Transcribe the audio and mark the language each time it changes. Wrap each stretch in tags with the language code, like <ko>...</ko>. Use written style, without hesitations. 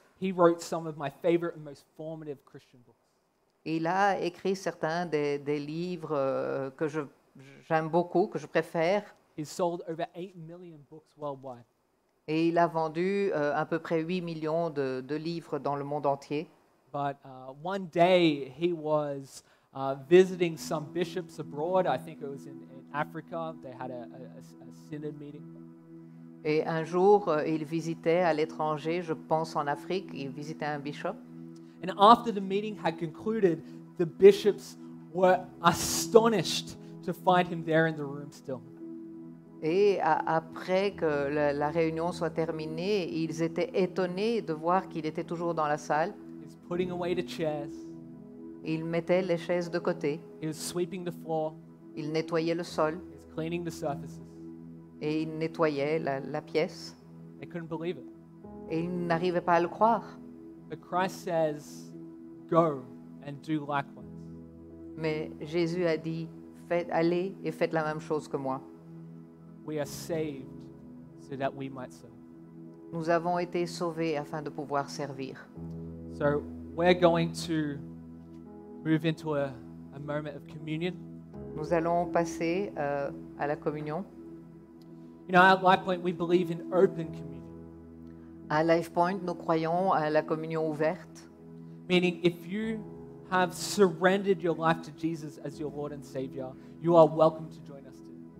<en>He wrote some of my favorite and most formative Christian books.</en> <fr>Il a écrit certains des livres que j'aime beaucoup, que je préfère.</fr> <en>He sold over 8 million books worldwide.</en> <fr>Et il a vendu à peu près 8 millions de livres dans le monde entier.</fr> <en>But one day he was visiting some bishops abroad. I think it was in Africa. They had a synod meeting.</en> <fr>Et un jour, il visitait à l'étranger, je pense en Afrique, il visitait un bishop.</fr> <en>And after the meeting had concluded, the bishops were astonished to find him there in the room still.</en> <fr>Et après que la réunion soit terminée, ils étaient étonnés de voir qu'il était toujours dans la salle.</fr> <en>He's putting away the chairs.</en> <fr>Il mettait les chaises de côté.</fr> <en>He was sweeping the floor.</en> <fr>Il nettoyait le sol.</fr> <en>He was cleaning the surfaces.</en> <fr>Et il nettoyait la pièce.</fr> <en>I couldn't believe it.</en> <fr>Et il n'arrivait pas à le croire.</fr> <en>But Christ says, go and do likewise.</en> <fr>Mais Jésus a dit, allez et faites la même chose que moi.</fr> <en>We are saved so that we might serve.</en> <fr>Nous avons été sauvés afin de pouvoir servir.</fr> <en>So we're going to move into a moment of communion.</en> <fr>Nous allons passer à la communion.</fr> <en>You know, at LifePoint, we believe in open communion.</en> <fr>À LifePoint, nous croyons à la communion ouverte.</fr> <en>Meaning, if you have surrendered your life to Jesus as your Lord and Savior, you are welcome to join us too.</en>